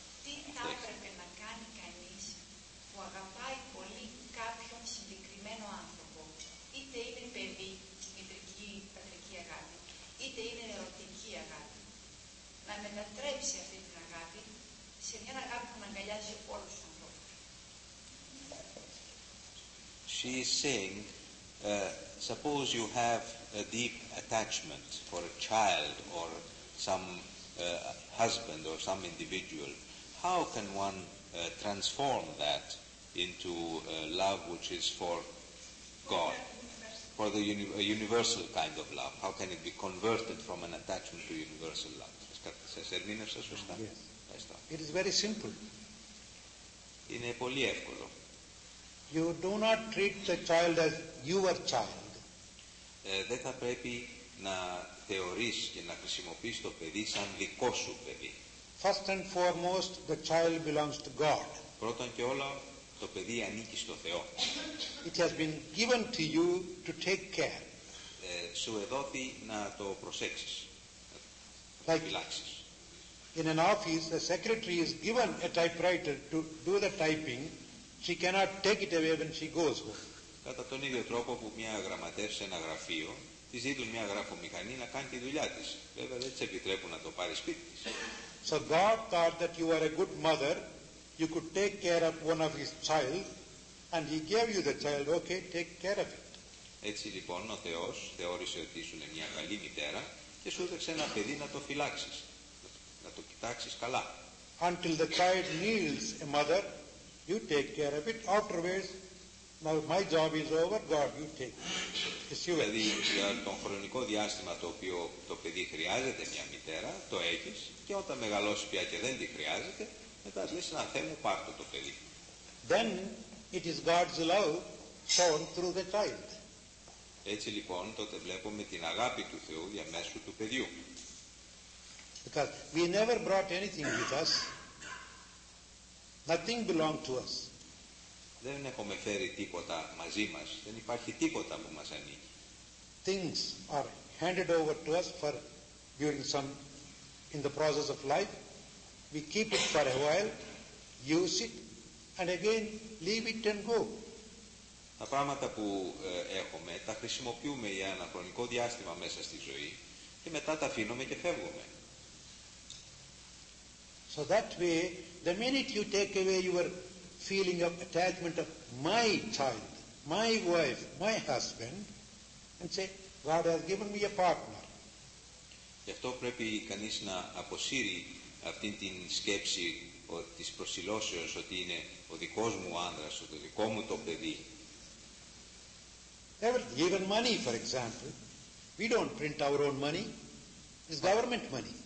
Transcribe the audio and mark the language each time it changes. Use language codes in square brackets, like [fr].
[el] Τι θα έπρεπε να κάνει κανείς που αγαπάει πολύ κάποιον συγκεκριμένο άνθρωπο, είτε είναι παιδί, μητρική, πατρική αγάπη, είτε είναι ερωτική αγάπη, να μετατρέψει αυτή την αγάπη σε μια αγάπη που να αγκαλιάζει όλους τους ανθρώπους. [en] She is saying, suppose you have a deep attachment for a child or some husband or some individual, how can one transform that into love which is for God, for the universal kind of love? How can it be converted from an attachment to universal love? Yes. It is very simple. [el] Είναι πολύ εύκολο. [en] You do not treat the child as your child. [el] Δεν θα πρέπει να θεωρείς και να χρησιμοποιείς το παιδί σαν δικό σου παιδί. [en] First and foremost, the child belongs to God. [el] Πρώτον και όλα, το παιδί ανήκει στο Θεό. [en] It has been given to you to take care. [el] Σου εδόθη να το προσέξεις, να το φυλάξεις. [en] In an office, the secretary is given a typewriter to do the typing. She cannot take it away when she goes. [el] Κατά τον ίδιο τρόπο που μια γραμματέα σε ένα γραφείο της δίνουν μια γραφομηχανή να κάνει τη δουλειά της. Βέβαια δεν της επιτρέπουν να το πάρει σπίτι της. [en] So God thought that you were a good mother, you could take care of one of his child, and he gave you the child, okay, take care of it. [el] Έτσι λοιπόν ο Θεός θεώρησε ότι ήσουν μια καλή μητέρα και σου έδωσε ένα παιδί να το φυλάξεις, να το κοιτάξεις καλά. [en] Until the child needs a mother, you take care of it. Afterwards, now my job is over. God, you take it. It's yours. [el] Δηλαδή, για τον χρονικό διάστημα το οποίο το παιδί χρειάζεται μια μητέρα, το έχεις, και όταν μεγαλώσει πια και δεν τη χρειάζεται, μετά λες, ένα Θεέ μου, πάρ' το παιδί. [en] Then it is God's love shown through the child. [el] Έτσι λοιπόν, τότε βλέπουμε την αγάπη του Θεού διαμέσου του παιδιού. [en] Because we never brought anything with us. Nothing belonged to us. [el] Δεν έχουμε φέρει τίποτα μαζί μας. Δεν υπάρχει τίποτα που μας ανήκει. [en] Things are handed over to us for during some in the process of life. We keep it for a while, use it, and again leave it and go. [el] Τα πράγματα που έχουμε τα χρησιμοποιούμε για ένα χρονικό διάστημα μέσα στη ζωή και μετά τα αφήνουμε και φεύγουμε. [en] So that way, the minute you take away your feeling of attachment of my child, my wife, my husband, and say, God has given me a partner. [el] Γι' αυτό πρέπει κανείς να αποσύρει αυτή την σκέψη της προσιλώσεως ότι είναι ο δικός μου άντρας, το δικό μου το παιδί. [en] Even money, for example. We don't print our own money. It's government money.